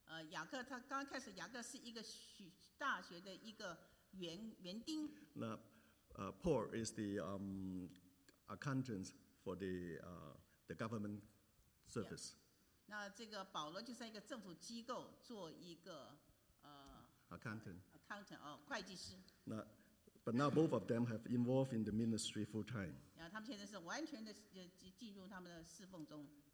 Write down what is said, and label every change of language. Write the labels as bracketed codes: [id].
[zh] 雅各他刚开始，雅各是一个大学的一个园丁。 [en] 那Paul is the accountant. For the government service. [zh] Yeah. 那这个保罗就是一个政府机构做一个 [en] Accountant [zh] 会计师。 [en] 那 But now both of them have involved in the ministry full time. [zh] 然后他们现在是完全的进入他们的侍奉中。